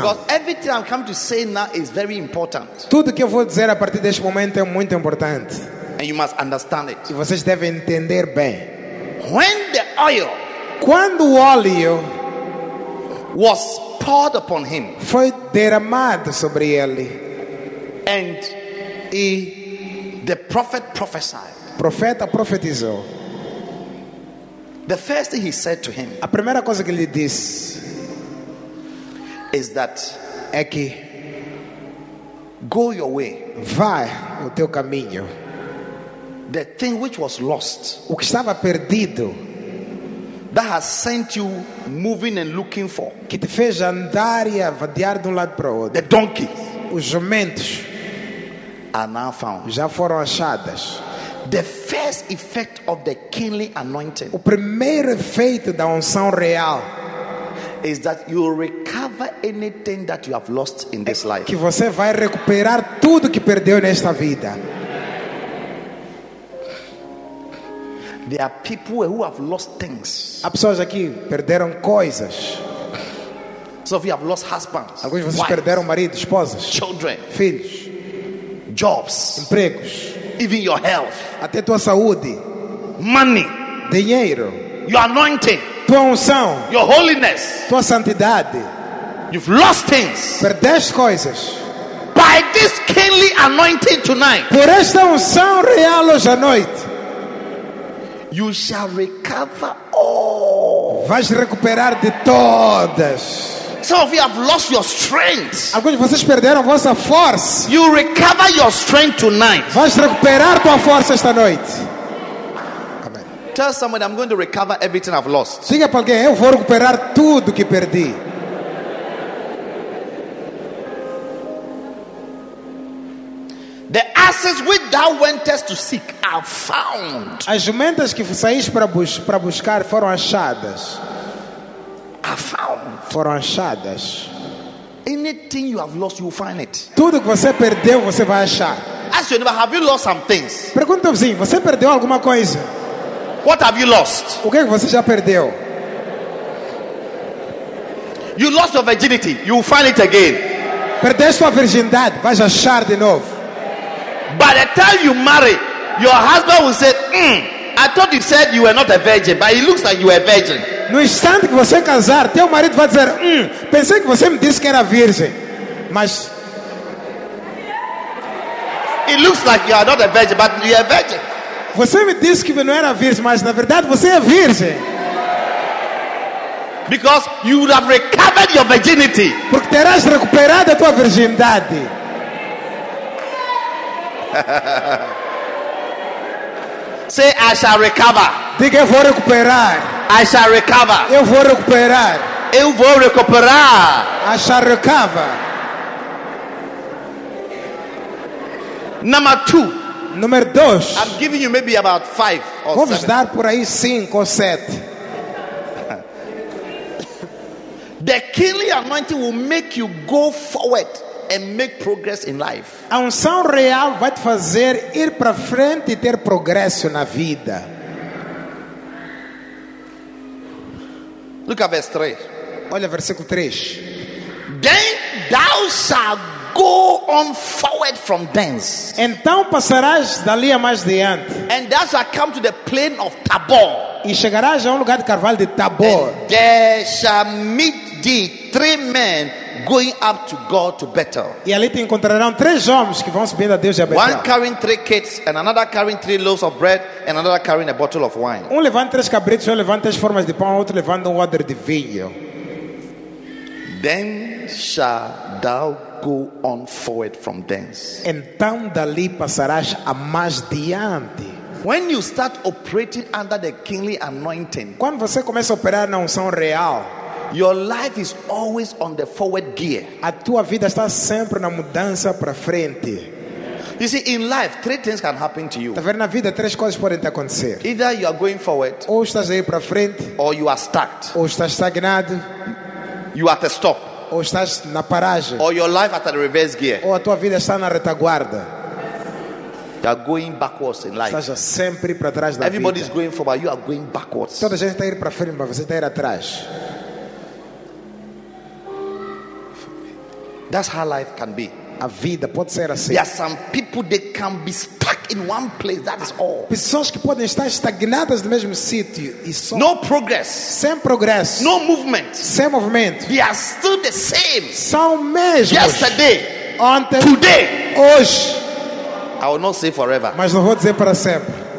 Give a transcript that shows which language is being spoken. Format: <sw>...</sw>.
<en>Because everything I'm coming to say now is very important.</en> <pt>Tudo que eu vou dizer a partir deste momento é muito importante.</pt> <en>And you must understand it.</en> <pt>E vocês devem entender bem.</pt> <en>When the oil,</en> <pt>quando o óleo</pt> <en>was poured upon him,</en> <pt>foi derramado sobre ele,</pt> <en>and</en> <pt>e</pt> <en>the prophet prophesied,</en> <pt>profeta profetizou.</pt> <en>The first thing he said to him,</en> <pt>a primeira coisa que ele disse,</pt> <en>is that,</en> <pt>é que,</pt> <en>go your way,</en> <pt>vai o teu caminho.</pt> <en>The thing which was lost,</en> <pt>o que estava perdido,</pt> <en>that has sent you moving and looking for,</en> <pt>que te fez andar e avadear de um lado para o outro,</pt> <en>the donkey,</en> <pt>os jumentos,</pt> <en>are now found,</en> <pt>já foram achadas.</pt> <en>The first effect of the kingly anointing,</en> <pt>o primeiro efeito da unção real,</pt> <en>is that you will recover anything that you have lost in this life.</en> <pt>Que você vai recuperar tudo que perdeu nesta vida.</pt> <en>There are people who have lost things.</en> <pt>Há pessoas aqui perderam coisas.</pt> <en>Some of you have lost husbands.</en> <pt>Alguns de vocês perderam maridos, esposas,</pt> <en>children,</en> <pt>filhos,</pt> <en>jobs,</en> <pt>empregos.</pt> <en>Even your health,</en> <pt>até tua saúde,</pt> <en>money,</en> <pt>dinheiro,</pt> <en>your anointing,</en> <pt>tua unção,</pt> <en>your holiness,</en> <pt>tua santidade.</pt> <en>You've lost things,</en> <pt>perdeste coisas.</pt> <en>By this kingly anointing tonight,</en> <pt>por esta unção real hoje à noite,</pt> <en>you shall recover all,</en> <pt>vais recuperar de todas.</pt> <en>Some of you have lost your strength.</en> <pt>Alguns de vocês perderam a vossa força.</pt> <en>You recover your strength tonight.</en> <pt>Vais recuperar tua força esta noite.</pt> <en>Amen. Tell somebody, I'm going to recover everything I've lost.</en> <pt>Diga para alguém, eu vou recuperar tudo que perdi.</pt> <en>The asses which thou wentest to seek are found.</en> <pt>As jumentas que saíste para buscar foram achadas. Foram achadas.</pt> <en>Anything you have lost, you will find it.</en> <pt>Tudo que você perdeu, você vai achar.</pt> <en>Ask your neighbor, have you lost some things?</en> <pt>Pergunta ao vizinho, você perdeu alguma coisa?</pt> <en>What have you lost?</en> <pt>O que é que você já perdeu?</pt> <en>You lost your virginity, you will find it again.</en> <pt>Perdeste sua virgindade, vais achar de novo.</pt> <en>By the time you marry, your husband will say, I thought you said you were not a virgin, but it looks like you were a virgin.</en> <pt>No instante que você casar, teu marido vai dizer: pensei que você me disse que era virgem, mas</pt> <en>it looks like you are not a virgin, but you are a virgin.</en> <pt>Você me disse que não era virgem, mas na verdade você é virgem.</pt> <en>Because you would have recovered your virginity.</en> <pt>Porque terás recuperado a tua virgindade.</pt> <en>Say, I shall recover.</en> <pt>Diga, eu vou recuperar.</pt> <en>I shall recover.</en> <pt>Eu vou recuperar. Eu vou recuperar.</pt> <en>I shall recover. Number two.</en> <pt>Número dois.</pt> <en>I'm giving you maybe about five or</en> <pt>vou</pt> <en>seven.</en> <pt>Vamos dar por aí cinco ou sete.</pt> <en>The kingly anointing will make you go forward and make progress in life.</en> <pt>A unção real vai te fazer ir para frente e ter progresso na vida.</pt> <en>Look at verse 3.</en> <pt>Olha versículo 3.</pt> <en>Then thou shalt go on forward from thence.</en> <pt>Então passarás dali a mais diante.</pt> <en>And thou shalt come to the plain of Tabor.</en> <pt>E chegarás a um lugar de carvalho de Tabor.</pt> <en>And there shall meet thee three men going up to God to Bethel.</en> <pt>E ali te encontrarão três homens que vão subindo a Deus e a Bethel.</pt> <en>One carrying three kids and another carrying three loaves of bread and another carrying a bottle of wine.</en> <pt>Um levando três cabritos, um levando três formas de pão, outro levando um odre de vinho.</pt> <en>Then shall thou go on forward from thence.</en> <pt>Então dali passarás a mais diante.</pt> <en>When you start operating under the kingly anointing,</en> <pt>quando você começa a operar na unção real,</pt> <en>your life is always on the forward gear.</en> <pt>A tua vida está sempre na mudança para frente.</pt> <en>You see, in life, three things can happen to you.</en> <pt>Tá vendo, na vida, três coisas podem te acontecer.</pt> <en>Either you are going forward,</en> <pt>ou estás aí para frente,</pt> <en>or you are stuck,</en> <pt>ou estás estagnado.</pt> <en>You are at a stop,</en> <pt>ou estás na paragem.</pt> <en>Or your life at a reverse gear,</en> <pt>ou a tua vida está na retaguarda.</pt> <en>You are going backwards in life.</en> <pt>Estás sempre para trás da</pt> <en>Everybody</en> <pt>vida.</pt> <en>Is going forward, you are going backwards.</en> <pt>Toda a gente está a ir para frente, mas você está a ir atrás.</pt> <en>That's how life can be.</en> <pt>A vida pode ser assim.</pt> <en>There are some people that can be stuck in one place. That is all.</en> <pt>Pessoas que podem estar estagnadas no mesmo sítio e só.</pt> <en>No progress.</en> <pt>Sem progresso.</pt> <en>No movement.</en> <pt>Sem movimento.</pt> <en>They are still the same.</en> <pt>São mesmos.</pt> <en>Yesterday.</en> <pt>Ontem.</pt> <en>Today.</en> <pt>Hoje.</pt> <en>I will not say forever.</en> <pt>Mas não vou dizer para sempre.</pt>